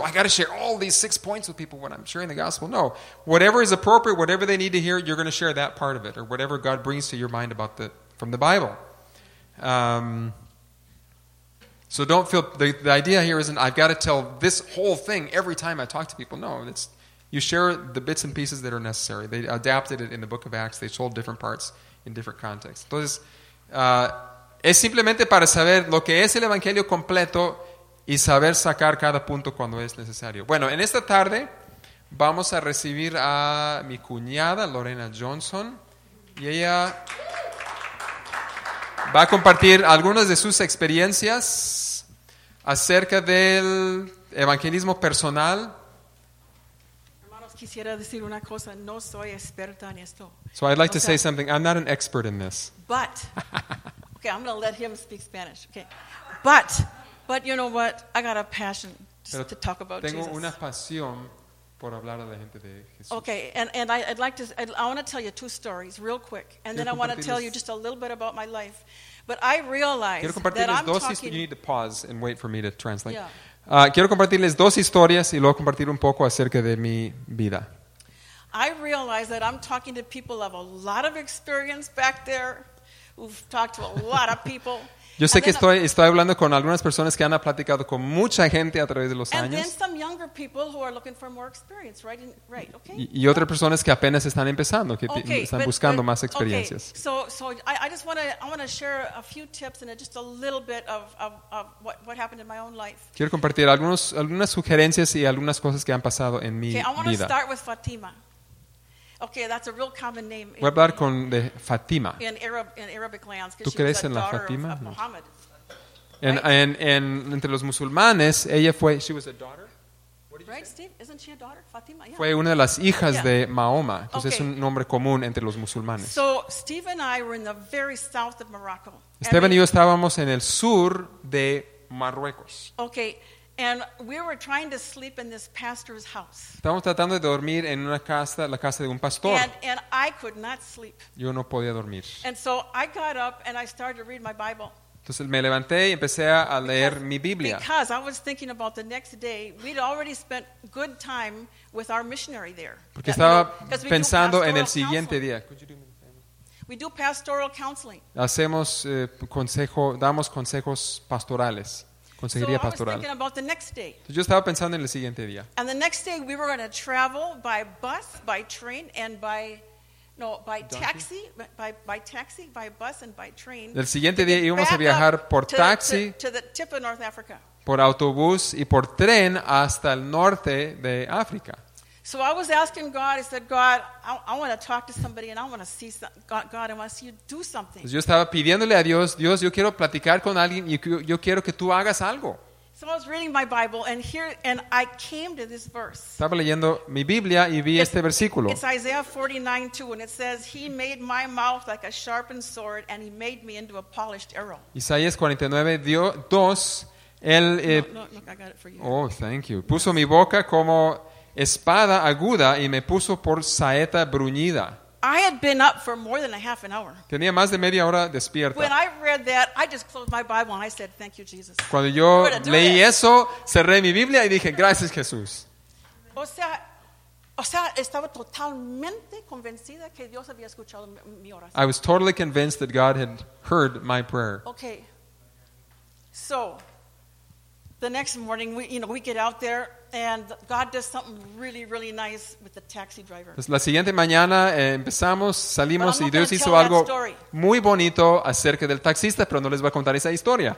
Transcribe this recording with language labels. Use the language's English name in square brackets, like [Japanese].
[English] Well, I got to share all these 6 points with people when I'm sharing the gospel. No, whatever is appropriate, whatever they need to hear, you're going to share that part of it or whatever God brings to your mind about from the Bible. So don't feel, the idea here isn't I've got to tell this whole thing every time I talk to people. No, it's, you share the bits and pieces that are necessary. They adapted it in the book of Acts. They told different parts in different contexts. [Spanish] Entonces, es simplemente para saber lo que es el Evangelio completo y saber sacar cada punto cuando es necesario. Bueno, en esta tarde vamos a recibir a mi cuñada, Lorena Johnson, y ella va a compartir algunas de sus experiencias acerca del evangelismo personal. Hermanos, quisiera decir una cosa, no soy experta en esto. [English] So I'd like to say something, I'm not an expert in this. But... Okay, I'm going to let him speak Spanish. Okay, but you know what? I got a passion to talk about [Spanish] tengo [English] Jesus. [Spanish] Una pasión por hablar a la gente de Jesús. [English] Okay, and I want to tell you two stories real quick, and [Spanish] quiero [English] then I want to tell you just a little bit about my life. But I realize that I'm talking. You need to pause and wait for me to translate. Yeah. [Spanish] Quiero compartirles dos historias y luego compartir un poco acerca de mi vida. [English] I realize that I'm talking to people of a lot of experience back there. We've talked to a lot of people. [Spanish] Yo sé que estoy hablando con algunas personas que han platicado con mucha gente a través de los años. [English] And then some younger people who are looking for more experience, right? Right, okay. [Spanish] Y otras personas que apenas están empezando, que están buscando más experiencias. [English] Okay. So I want to share a few tips and just a little bit of what happened in my own life. [Spanish] Quiero compartir algunas sugerencias y algunas cosas que han pasado en mi vida. [English] Okay, I want to start with Fatima. Okay, that's a real common name. [Spanish] Voy a hablar con de Fatima. [English] In Arabic lands, [Spanish] ¿tú crees [English] she was [Spanish] en la [English] daughter [Spanish] Fatima? [English] Of Muhammad. [Spanish] En [English] right? [Spanish] en entre los musulmanes, ella fue [English] she was a daughter. Right, Steve? Isn't she a daughter? Fatima, yeah. [Spanish] Fue una de las hijas de Mahoma. Entonces es un nombre común entre los musulmanes. [English] So, Steve and I were in the very south of Morocco. [Spanish] Esteban y yo estábamos en el sur de Marruecos. [English] Okay. And we were trying to sleep in this pastor's house. [Spanish] Estábamos tratando de dormir en una casa, la casa de un pastor. [English] And I could not sleep. [Spanish] Yo no podía dormir. [English] And so I got up and I started to read my Bible. [Spanish] Entonces me levanté y empecé a leer mi Biblia. [English] Because I was thinking about the next day, we'd already spent good time with our missionary there. [Spanish] Porque estaba pensando en el siguiente día. [English] We do pastoral counseling. [Spanish] Hacemos consejo, damos consejos pastorales. Consejería pastoral. [English] So I was thinking about the next day. [Spanish] Entonces, yo estaba pensando en el siguiente día. [English] And the next day we were going to travel by bus, by train, and by by taxi, by bus, and by train. [Spanish] El siguiente día íbamos a viajar por taxi, [English] to the tip of North Africa. [Spanish] Por autobús y por tren hasta el norte de África. [English] So I was asking God. I said, God, I want to talk to somebody, and I want to see God. I want to see you do something. [Spanish] Yo estaba pidiéndole a Dios. Dios, yo quiero platicar con alguien, y yo quiero que tú hagas algo. [English] So I was reading my Bible, and here, and I came to this verse. [Spanish] Estaba leyendo mi Biblia y vi este versículo. [English] It's Isaiah 49:2, and it says, "He made my mouth like a sharpened sword, and he made me into a polished arrow." [Spanish] Isaías 49:2. [English] Look, I got it for you. Oh, thank you. [Spanish] Puso mi boca como espada aguda y me puso por saeta bruñida. [English] I had been up for more than a half an hour. [Spanish] Tenía más de media hora despierta. [English] When I read that, I just closed my Bible and I said, "Thank you, Jesus." [Spanish] Cuando yo leí eso, cerré mi Biblia y dije, "Gracias, Jesús." O sea, estaba totalmente convencida que Dios había escuchado mi oración. [English] I was totally convinced that God had heard my prayer. Okay. So, the next morning, we get out there. And God does something really, really nice with the taxi driver. [Spanish] La siguiente mañana empezamos, salimos y Dios hizo algo muy bonito acerca del taxista, pero no les voy a contar esa historia.